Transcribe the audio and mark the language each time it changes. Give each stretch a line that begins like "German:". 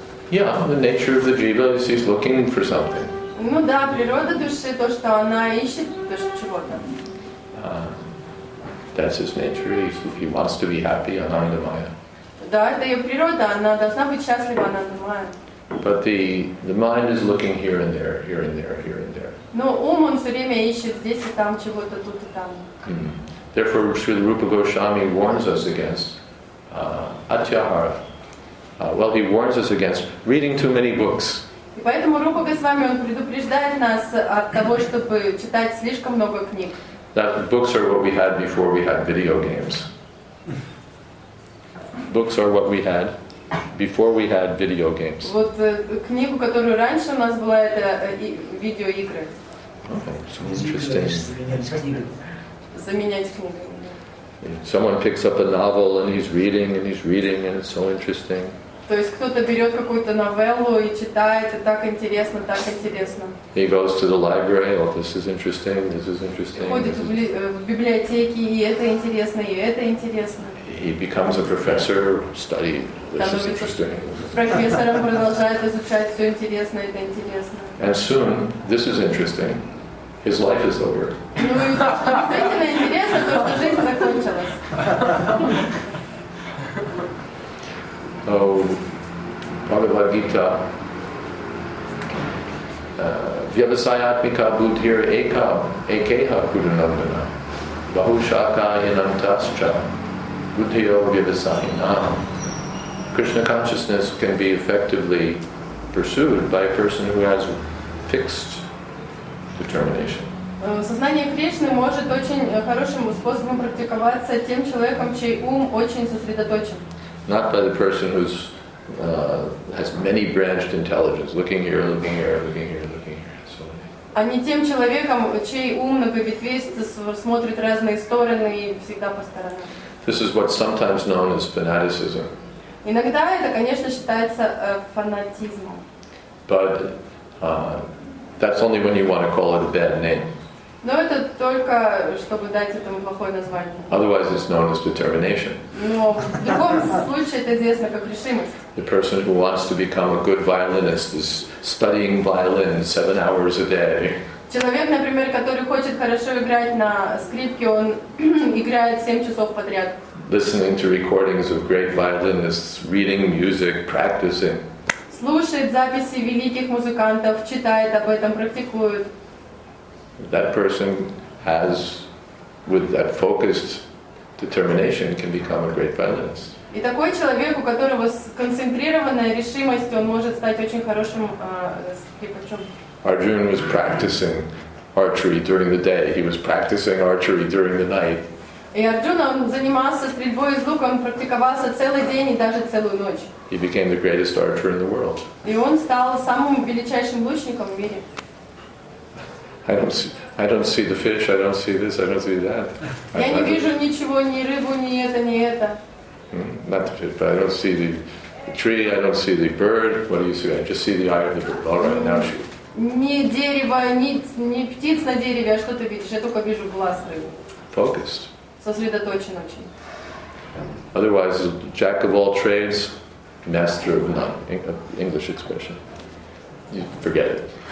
English: Yeah, the nature of the jiva is he's looking for something.
Russian: Ну да, природа души то, что она ищет то, что чего-то.
English: That's his nature. If he wants to be happy, Anandamaya.
Russian: Да, это ее природа. Она должна быть счастлива, Анандамая.
English: But the mind is looking here and there, here and there, here and there.
Russian: Но ум он все время ищет здесь и там чего-то тут и там.
English: Therefore, Srila Rupa Goswami warns us against atyahara. Well, he warns us against reading too many books.
Russian: И поэтому Рупа Госвами он предупреждает нас от того, чтобы читать слишком много книг.
English: That books are what we had before we had video games. Books are what we had before we had video games.
Russian: Вот книгу, которую раньше у нас была, это видеоигры.
English: Okay, so interesting.
Russian: Заменять книгами.
English: Someone picks up a novel and he's reading and it's so interesting.
Russian: То есть кто-то берет какую-то новеллу и читает, и так интересно, так интересно.
English: He goes to the library, oh, this is interesting, this is interesting.
Russian: Ходит в библиотеке, и это интересно, и это интересно.
English: He becomes a professor, study, this is interesting.
Russian: Профессором продолжает изучать, все интересно, это интересно.
English: And soon, this is interesting, his life is over.
Russian: Ну и действительно интересно, то, что жизнь закончилась.
Sanskrit: So, Bhagavad Gita, Vyavasayatmika Buddhir Eka Ekeha Kudanandana Bahushaka Yanantascha Buddhiyo Vyavasayana.
English: Krishna consciousness can be effectively pursued by a person who has fixed determination.
Russian: Сознание Кришны может очень хорошим способом практиковаться тем человеком, чей ум очень сосредоточен.
English: Not by the person who's has many branched intelligence, looking here, looking here, looking here, looking here, and so on.
Russian: А не тем человеком, чей ум многоветвистый, смотрит разные стороны и всегда по сторонам.
English: This is what's sometimes known as fanaticism.
Russian: Иногда это, конечно, считается фанатизмом.
English: But that's only when you want to call it a bad name.
Russian: Но это только, чтобы дать этому плохое название.
English: Otherwise it's known as determination.
Russian: Но в другом случае это известно как решимость.
English: The person who wants to become a good violinist is studying violin 7 hours a day.
Russian: Человек, например, который хочет хорошо играть на скрипке, он играет 7 часов подряд.
English: Listening to recordings of great violinists, reading music, practicing.
Russian: Слушает записи великих музыкантов, читает об этом, практикует.
English: That person has, with that focused determination, can become a great violinist.
Russian: И такой человек, у которого сконцентрированная решимость, он может стать очень хорошим скрипачом.
English: Arjuna was practicing archery during the day. He was practicing archery during the night.
Russian: И Арджуна, он занимался стрельбой из лука, он практиковался целый день и даже целую ночь.
English: He became the greatest archer in the world.
Russian: И он стал самым величайшим лучником в мире.
English: I don't see the fish, I don't see this, I don't see that.
Russian: Я не вижу ничего, ни рыбу, ни это, ни это.
English: Not the fish, but I don't see the tree, I don't see the bird. What do you see? I just see the eye of the bird. All right, now she...
Russian: Ни дерево, ни птиц на дереве, а что ты видишь? Я только вижу глаз рыбы.
English: Focused.
Russian: Сосредоточен очень.
English: Otherwise, jack of all trades, master of none. English expression. You forget it.